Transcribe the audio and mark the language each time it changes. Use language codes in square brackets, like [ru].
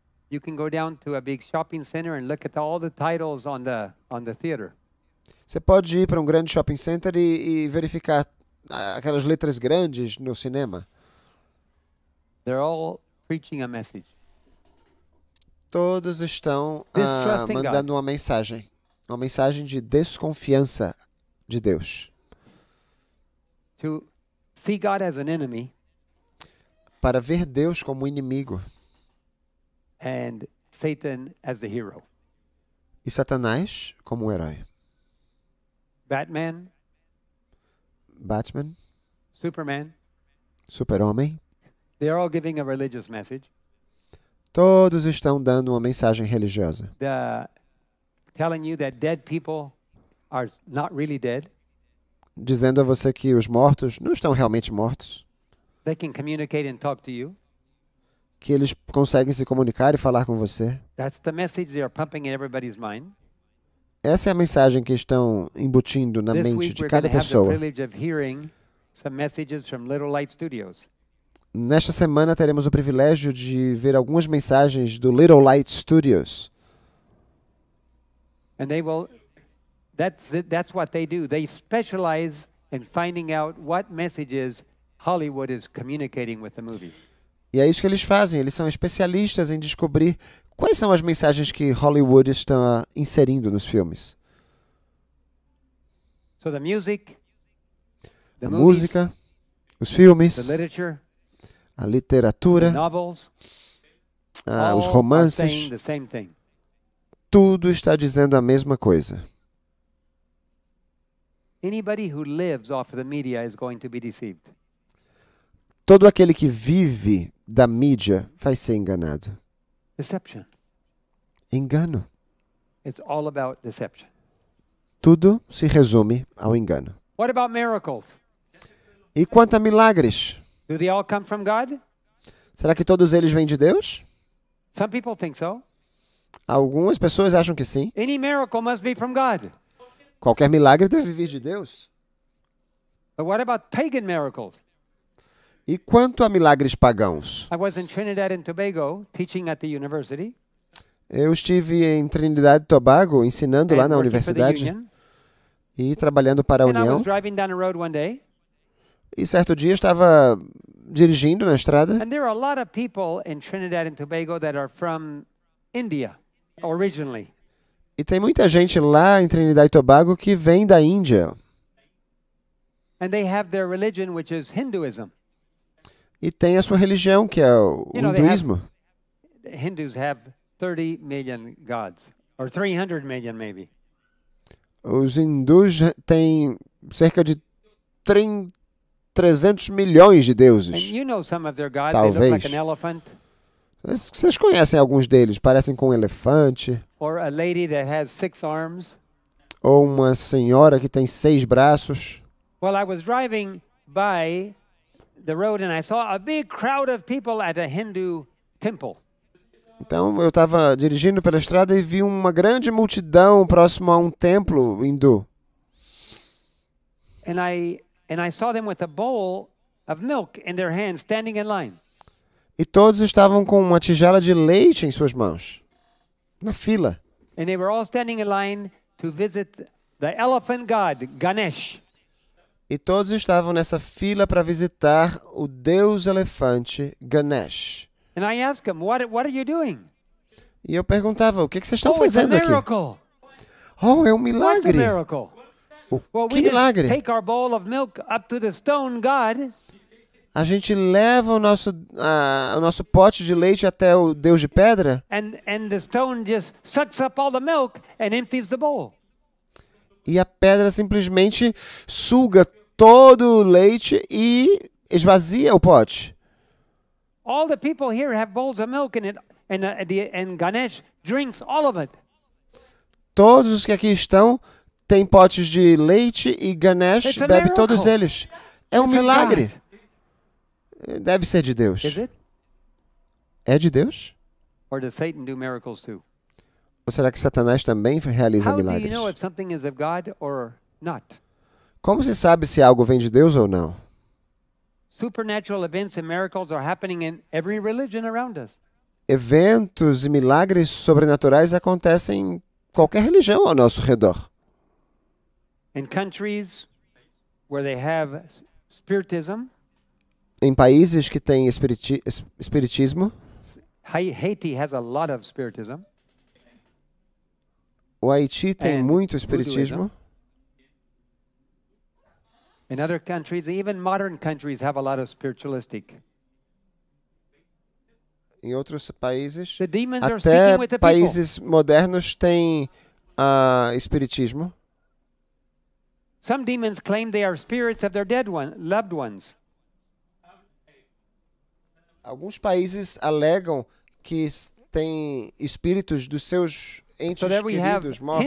[en] You can go down to a big shopping center and look at all the titles on the theater. [pt] Você pode ir para um grande shopping center e verificar aquelas letras grandes no cinema. [en] They're all preaching a message. [pt] Todos estão mandando uma mensagem. Uma mensagem de desconfiança de Deus. [en] To see God as an enemy, [pt] para ver Deus como inimigo [en] and Satan as the hero. [pt] E Satanás como herói. [en] Batman. Superman. [pt] Super-homem. [en] They're all giving a religious message. [pt] Todos estão dando uma mensagem religiosa. [en] Telling you that dead people are not really dead. [pt] Dizendo a você que os mortos não estão realmente mortos. [en] They can communicate and talk to you. [pt] Que eles conseguem se comunicar e falar com você. [en] That's the message they are pumping in everybody's mind. [pt] Essa é a mensagem que estão embutindo na [en] this [pt] mente [en] week [pt] de cada pessoa. [en] We're going to have the privilege of hearing some messages from Little Light Studios. [pt] Nesta semana teremos o privilégio de ver algumas mensagens do Little Light Studios. [en] And they will, that's what they do. They specialize in finding out what messages Hollywood is communicating with the movies. [pt] E é isso que eles fazem. Eles são especialistas em descobrir quais são as mensagens que Hollywood está inserindo nos filmes. [en] So the music, the [pt] a música, [en] movies, [pt] os filmes, [en] the literature, [pt] a literatura, [en] the novels, [pt] os romances, [en] the same thing. [pt] Tudo está dizendo a mesma coisa. [en] Anybody who lives off the media is going to be deceived. [pt] Todo aquele que vive da mídia vai ser enganado. [en] Deception. [pt] Engano. [en] It's all about deception. [pt] Tudo se resume ao engano. [en] What about miracles? [pt] E quanto a milagres? [en] Do they all come from God? [pt] Será que todos eles vêm de Deus? [en] Some people think so. [pt] Algumas pessoas acham que sim. [en] Any miracle must be from God. [pt] Qualquer milagre deve vir de Deus. [en] But what about pagan miracles? [pt] E quanto a milagres pagãos? [en] I was in Trinidad and Tobago, teaching at the university. [pt] Eu estive em Trinidad e Tobago, ensinando [en] and [pt] lá na universidade e trabalhando para a [en] and [pt] União. [en] I was driving down a road one day, [pt] e certo dia estava dirigindo na estrada. [en] And there are a lot of people in Trinidad and Tobago that are from India, originally. [pt] E tem muita gente lá em Trinidad e Tobago que vem da Índia. [en] And they have their religion, which is Hinduism. [pt] E tem a sua religião, que é o hinduísmo. Os hindus têm 30 milhões de deuses, ou 300 milhões, talvez. Os hindus têm cerca de 300 milhões de deuses. [en] And you know some of their gods. [pt] Talvez. [en] They look like an elephant. [pt] Vocês conhecem alguns deles, parecem com um elefante. [en] Or a lady that has six arms. [pt] Ou uma senhora que tem seis braços. [en] Well, I was driving by the road and I saw a big crowd of people at a Hindu temple. [pt] Então eu estava dirigindo pela estrada e vi uma grande multidão próximo a um templo hindu. [en] And I saw them with a bowl of milk in their hands standing in line. [pt] E todos estavam com uma tigela de leite em suas mãos. Na fila. [en] And they were all standing in line to visit the elephant god Ganesh. [pt] E todos estavam nessa fila para visitar o deus elefante Ganesh. [en] And I asked him, what are you doing? [pt] E eu perguntava, o que vocês estão fazendo aqui? Oh, é um milagre. [en] What's a miracle? [pt] Que milagre? [en] Take our bowl of milk up to the stone god. [pt] A gente leva o nosso pote de leite até o deus de pedra? [en] And the stone just sucks up all the milk and empties the bowl. [pt] E a pedra simplesmente suga todo o leite e esvazia o pote. [en] All the people here have bowls of milk in it, and Ganesh drinks all of it. [pt] Todos os que aqui estão têm potes de leite e Ganesh [en] It's [pt] bebe todos eles. É um [en] It's [pt] milagre. Deve ser de Deus. [en] Is it? [pt] É de Deus? [en] Or does Satan do miracles too? [pt] Ou será que Satanás também realiza [en] How [pt] milagres? [en] Do you know if something is of God or not? [pt] Como você sabe se algo vem de Deus ou não? [en] Supernatural events and miracles are happening in every religion around us. [pt] Eventos e milagres sobrenaturais acontecem em qualquer religião ao nosso redor. [en] In countries where they have spiritism, [pt] em países que têm espiritismo, [en] Haiti has a lot of spiritism. [pt] O Haiti tem muito espiritismo. [en] In other countries, even modern countries have a lot of spiritualistic. [pt] Em outros países, até países modernos têm espiritismo. [en] Some demons claim they are spirits of their dead one, loved ones. [pt] Alguns países alegam que têm espíritos dos seus entes queridos mortos.